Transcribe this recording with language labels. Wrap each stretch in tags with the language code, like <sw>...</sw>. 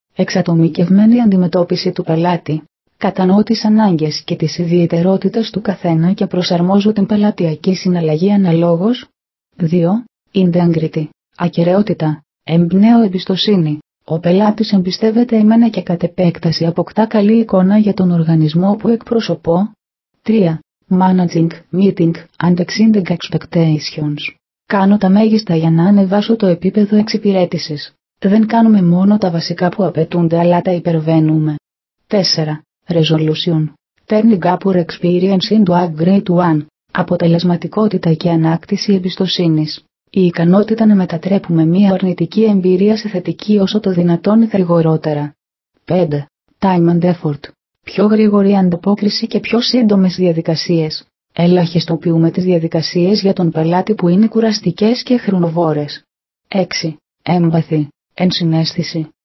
<el>Εξατομικευμένη αντιμετώπιση του πελάτη. Κατανοώ τις ανάγκες και τις ιδιαιτερότητες του καθένα και προσαρμόζω την πελατειακή συναλλαγή αναλόγως. 2. Integrity. Ακεραιότητα. Εμπνέω εμπιστοσύνη. Ο πελάτης εμπιστεύεται εμένα και κατ' επέκταση αποκτά καλή εικόνα για τον οργανισμό που εκπροσωπώ. 3.</el> <en>Managing, meeting, and exceeding expectations.</en> <el>Κάνω τα μέγιστα για να ανεβάσω το επίπεδο εξυπηρέτησης. Δεν κάνουμε μόνο τα βασικά που απαιτούνται αλλά τα υπερβαίνουμε.</el> <en>4. Resolution. Turning up our experience into a great one.</en> <el>Αποτελεσματικότητα και ανάκτηση εμπιστοσύνης. Η ικανότητα να μετατρέπουμε μία αρνητική εμπειρία σε θετική όσο το δυνατόν γρηγορότερα.</el> <en>5. Time and effort.</en> <el>Πιο γρήγορη ανταπόκριση και πιο σύντομες διαδικασίες. Ελαχιστοποιούμε τις διαδικασίες για τον πελάτη που είναι κουραστικές και χρονοβόρες. 6. Έμπαθη. Ενσυναίσθηση.</el>